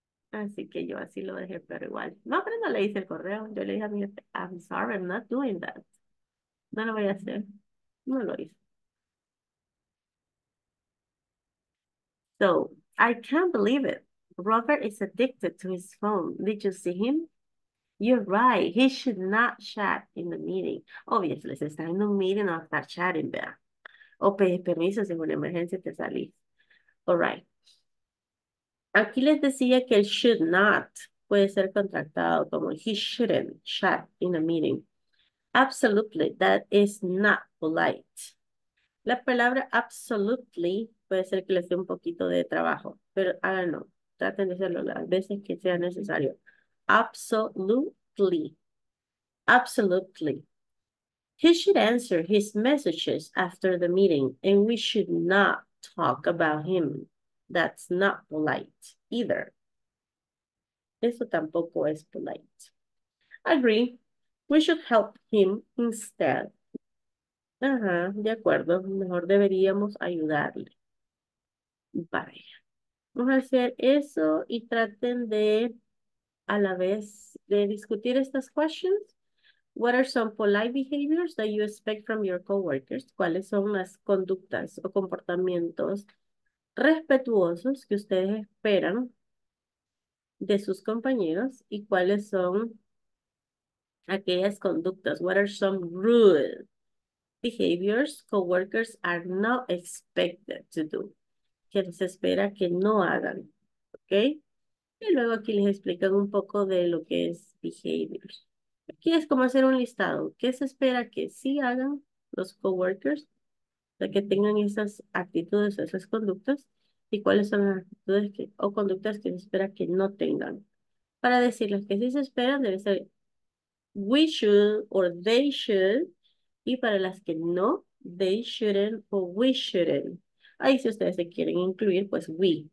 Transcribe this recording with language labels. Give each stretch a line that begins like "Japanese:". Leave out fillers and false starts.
Spanish: Así que yo así lo dejé, pero igual. No, pero no le hice el correo. Yo le dije a mi jefe,
English: I'm sorry, I'm not doing that.
Spanish: No lo voy a hacer. No lo hice.
English: So, I can't believe it. Robert is addicted to his phone. Did you see him? You're right. He should not chat in the meeting.
Spanish: Obviously, se está en un meeting, no va a estar chatting, ¿verdad? O pedir permiso si es una emergencia, te salís.
English: All right.
Spanish: Aquí les decía que el should not puede ser contratado como
English: he shouldn't chat in a meeting. Absolutely, that is not polite.
Spanish: La palabra absolutely puede ser que les dé un poquito de trabajo, pero háganlo. Traten de hacerlo las veces que sea necesario.
English: Absolutely. Absolutely. He should answer his messages after the meeting and we should not talk about him. That's not polite either.
Spanish: Eso tampoco es
English: polite. Agree. We should help him instead.
Spanish: Ajá, de acuerdo. Mejor deberíamos ayudarle. Vaya. Vamos a hacer eso y traten de, a la vez, de discutir estas questions.
English: What are some polite behaviors that you expect from your coworkers?
Spanish: ¿Cuáles son las conductas o comportamientos respetuosos que ustedes esperan de sus compañeros? ¿Y cuáles son aquellas conductas?
English: What are some rude behaviors coworkers are not expected to do?
Spanish: Que se espera que no hagan, ¿ok? Y luego aquí les explican un poco de lo que es behaviors. Aquí es como hacer un listado. ¿Qué se espera que sí hagan los coworkers? O sea, que tengan esas actitudes, esas conductas. ¿Y cuáles son las actitudes que, o conductas que se espera que no tengan? Para decirles que sí se esperan, debe ser
English: we should or they should.
Spanish: Y para las que no,
English: they shouldn't
Spanish: o
English: we shouldn't.
Spanish: Ahí si ustedes se quieren incluir, pues we.